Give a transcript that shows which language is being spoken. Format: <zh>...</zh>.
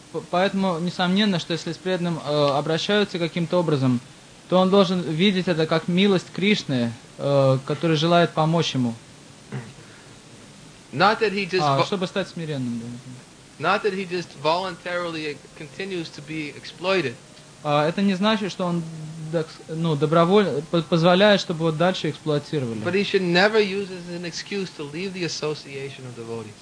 <ru>Поэтому несомненно, что если с преданным обращаются каким-то образом, то он должен видеть это как милость Кришны, которая желает помочь ему.</ru> <en>Not that he just</en> <ru>чтобы стать смиренным.</ru> <en>Not that he just voluntarily continues to be exploited.</en> <ru>Это не значит, что он добровольно позволяет, чтобы его дальше эксплуатировали.</ru> <en>But he should never use as an excuse to leave the association of devotees.</en>